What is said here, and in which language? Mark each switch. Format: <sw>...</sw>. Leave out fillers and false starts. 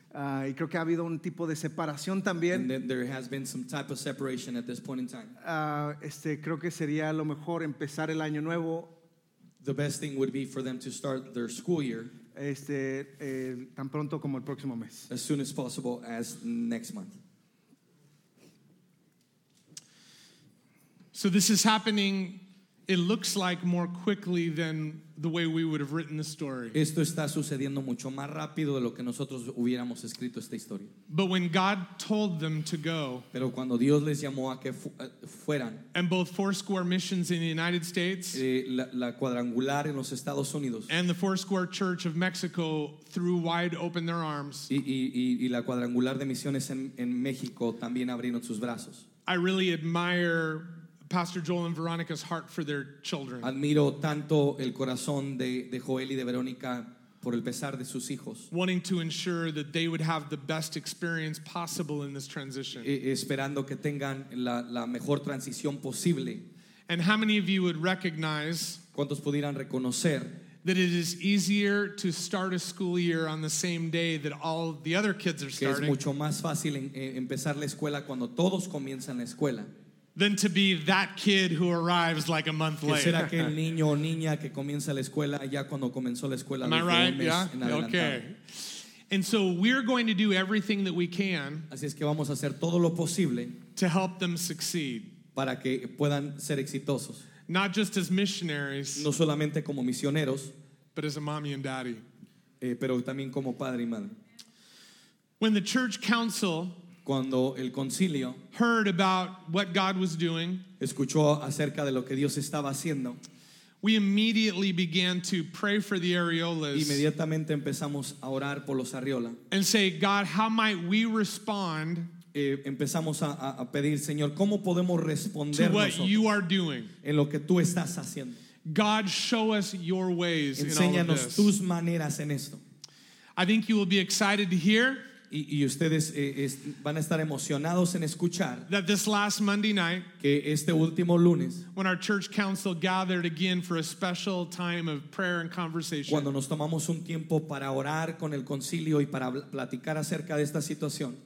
<es>y creo que ha habido un tipo de separación también,</es> <en>and there has been some type of separation at this point in time.</en> <es>Creo que sería lo mejor empezar el año nuevo.</es> <en>The best thing would be for them to start their school year</en> <es>tan pronto como el próximo mes,</es> <en>as soon as possible as next month. So this is happening, it looks like, more quickly than the way we would have written the story.</en> <es>Esto está sucediendo mucho más rápido de lo que nosotros hubiéramos escrito esta historia.</es> <en>But when God told them to go,</en> <es>pero cuando Dios les llamó a que fueran,</es> <en>and both Foursquare Missions in the United States,</en> <es>la cuadrangular en los Estados Unidos,</es> <en>and the Foursquare Church of Mexico threw wide open their arms,</en> <es>y la cuadrangular de misiones en México también abrieron sus brazos.</es> <en>I really admire Pastor Joel and Veronica's heart for their children.</en> <es>Admiro tanto el corazón de Joel y de Verónica por el pesar de sus hijos.</es> <en>Wanting to ensure that they would have the best experience possible in this transition.</en> <es>Esperando que tengan la mejor transición posible.</es> <en>And how many of you would recognize?</en> <es>¿Cuántos pudieran reconocer?</es> <en>That it is easier to start a school year on the same day that all the other kids are starting.</en> <es>Que es mucho más fácil empezar la escuela cuando todos comienzan la escuela.</es> <en>Than to be that kid who arrives like a month late.</en> <es>¿Será que el niño o niña que comienza la escuela ya cuando comenzó la escuela?</es> <en>Am I right? Yeah. Okay. And so we're going to do everything that we can.</en> <es>Así es que vamos a hacer todo lo posible</es> <en>to help them succeed.</en> <es>Para que puedan ser exitosos.</es> <en>Not just as missionaries.</en> <es>No solamente como misioneros.</es> <en>But as a mommy and daddy.</en> <es>Pero también como padre y madre.</es> <en>When the church council.</en> <es>Cuando el concilio</es> <en>heard about what God was doing,</en> <es>escuchó acerca de lo que Dios estaba haciendo,</es> <en>we immediately began to pray for the Ariolas.</en> <es>Inmediatamente empezamos a orar por los Ariola.</es> <en>And say, God, how might we respond?</en> <es>Empezamos a pedir, Señor, ¿cómo podemos responder</es> <en>to what you are doing?</en> <es>En lo que tú estás haciendo.</es> <en>God, show us your ways.</en> <es>Enséñanos</es> <en>in all</en> <es>tus maneras en esto.</es> <en>I think you will be excited to hear.</en> <es>Y ustedes van a estar emocionados en escuchar</es> <en>that this last Monday night,</en> <es>que este último lunes,</es> <en>when our church council gathered again for a special time of prayer and conversation,</en> <es>cuando nos tomamos un tiempo para orar con el concilio y para platicar acerca de esta situación,</es>